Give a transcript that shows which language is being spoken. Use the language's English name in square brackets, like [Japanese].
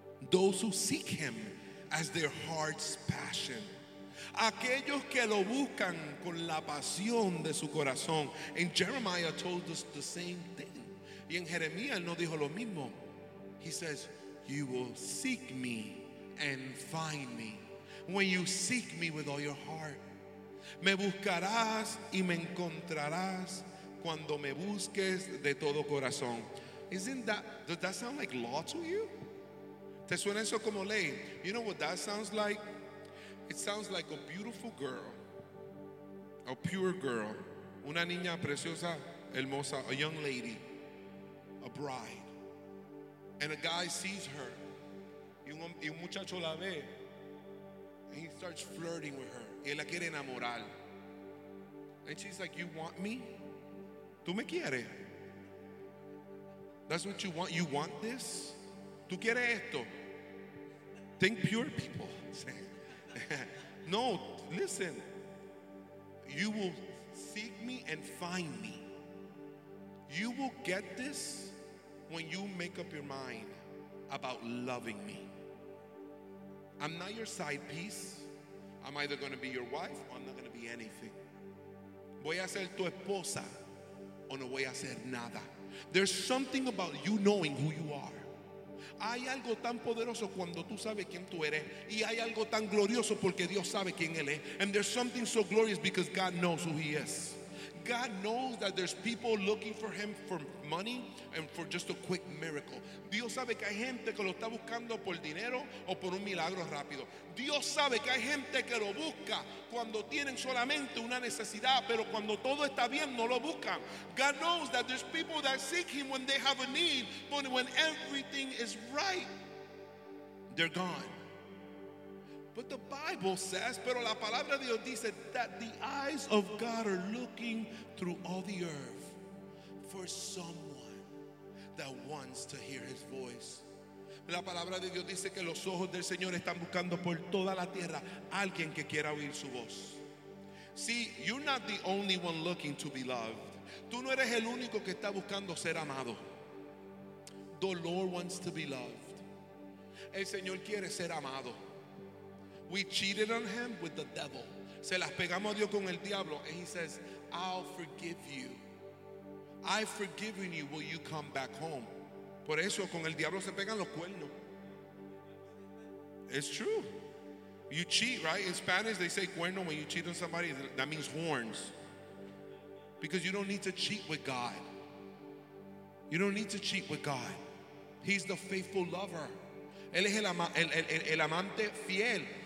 [English] Those who seek Him as their heart's passion. [Spanish] Aquellos que lo buscan con la pasión de su corazón. [English] And Jeremiah told us the same thing. [Spanish] Y en Jeremías nos dijo lo mismo. [English] He says, you will seek me and find me when you seek me with all your heart. [Spanish] Me buscarás y me encontrarás cuando me busques de todo corazón. [English] Isn't that, does that sound like law to you? [Spanish] ¿Te suena eso como ley? [English] You know what that sounds like? It sounds like a beautiful girl, a pure girl, [Spanish] una niña preciosa, hermosa, [English] a young lady, a bride. And a guy sees her, [Spanish] y un muchacho la ve, [English] and he starts flirting with her. [Spanish] Y él la quiere enamorar. [English] And she's like, you want me? [Spanish] ¿Tú me quieres? [English] That's what you want? You want this? [Spanish] ¿Tú quieres esto? [English] Think pure people. No, listen. You will seek me and find me. You will get this when you make up your mind about loving me. I'm not your side piece. I'm either going to be your wife or I'm not going to be anything. [Spanish] Voy a ser tu esposa o no voy a ser nada. [English] There's something about you knowing who you are. [Spanish] Hay algo tan poderoso cuando tú sabes quién tú eres. Y hay algo tan glorioso porque Dios sabe quién Él es. [English] And there's something so glorious because God knows who He is. God knows that there's people looking for Him for money and for just a quick miracle. [Spanish] Dios sabe que hay gente que lo está buscando por dinero o por un milagro rápido. Dios sabe que hay gente que lo busca cuando tienen solamente una necesidad, pero cuando todo está bien no lo buscan. [English] God knows that there's people that seek Him when they have a need, but when everything is right, they're gone. But the Bible says, [Spanish] pero la palabra de Dios dice, [English] that the eyes of God are looking through all the earth for someone that wants to hear His voice. [Spanish] La palabra de Dios dice que los ojos del Señor están buscando por toda la tierra alguien que quiera oír su voz. [English] See, you're not the only one looking to be loved. [Spanish] Tú no eres el único que está buscando ser amado. [English] The Lord wants to be loved. [Spanish] El Señor quiere ser amado. [English] We cheated on Him with the devil. [Spanish] Se las pegamos a Dios con el diablo. [English] And He says, I'll forgive you. I've forgiven you. Will you come back home? [Spanish] Por eso con el diablo se pegan los cuernos. [English] It's true. You cheat, right? In Spanish, they say cuerno when you cheat on somebody. That means horns. Because you don't need to cheat with God. You don't need to cheat with God. He's the faithful lover. [Spanish] Él es el amante fiel.